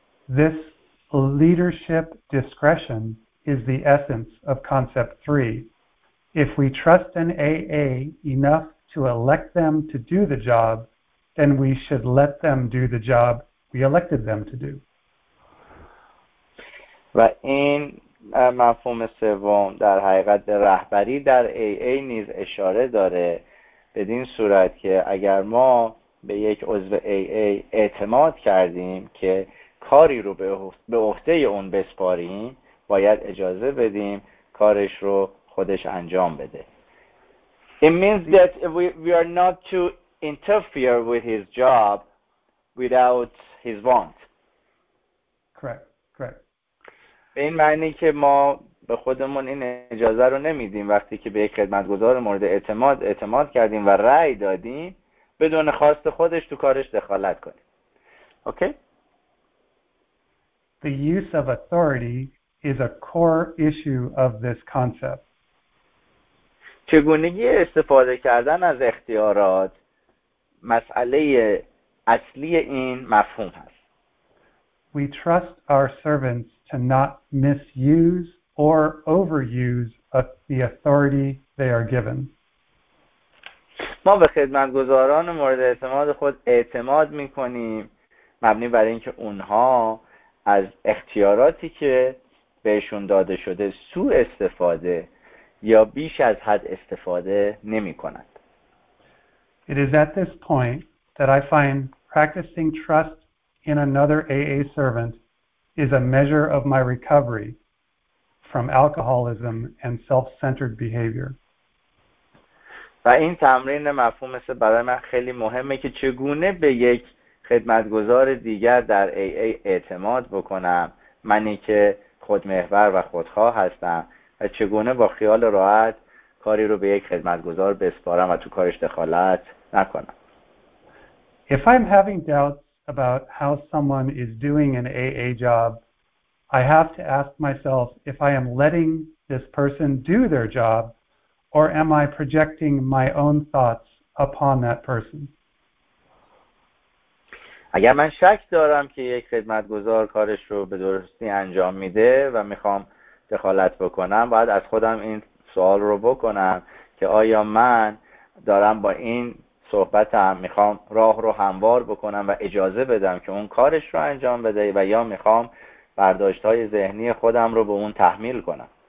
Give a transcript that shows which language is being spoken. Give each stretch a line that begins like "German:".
English: This leadership discretion is the essence of concept 3. If we trust an AA enough to elect them to do the job, then we should let them do the job we elected them to do.
Persian: و این مفهوم سوم در حقیقت رهبری در AA نیز اشاره داره بدین صورت که اگر ما به یک عضو AA اعتماد کردیم که کاری رو به عهده اون بسپاریم باید اجازه بدیم کارش رو خودش انجام بده.
English: It means that we are not to interfere with his job without his want. Correct.
Persian: به این معنی که ما به خودمون این اجازه رو نمیدیم وقتی که به یک خدمتگزار مورد اعتماد کردیم و رأی دادیم بدون خواست خودش تو کارش دخالت کنیم.
English: Okay? The use of authority is a core issue of this concept.
Persian: چگونگی استفاده کردن از اختیارات مسئله اصلی این مفهوم هست.
English: We trust our servants to not misuse or overuse the authority they are given.
Persian: ما به خدمتگزاران مورد اعتماد خود اعتماد می‌کنیم مبنی بر اینکه اونها از اختیاراتی که بهشون داده شده سوء استفاده یا بیش از حد استفاده نمی‌کنند.
English: It is at this point that I find practicing trust in another AA servant is a measure of my recovery from alcoholism and self-centered behavior.
Persian: و این تمرین مفهوم است برای من خیلی مهمه که چگونه به یک خدمتگزار دیگر در AA اعتماد بکنم منی که خودمحور و خودخواه هستم و چگونه با خیال راحت کاری رو به یک خدمتگزار بسپارم و تو کارش دخالت نکنم.
English: If I'm having doubts about how someone is doing an AA job, I have to ask myself if I am letting this person do their job or am I projecting my own thoughts upon that person.
Persian: اگر من شک دارم که یک خدمتگزار کارش رو به درستی انجام میده و میخوام دخالت بکنم، باید از خودم این سوال رو بکنم که آیا من دارم با این صحبتم میخوام راه رو هموار بکنم و اجازه بدم که اون کارش رو انجام بده و یا میخوام برداشت‌های ذهنی خودم رو به اون تحمیل کنم.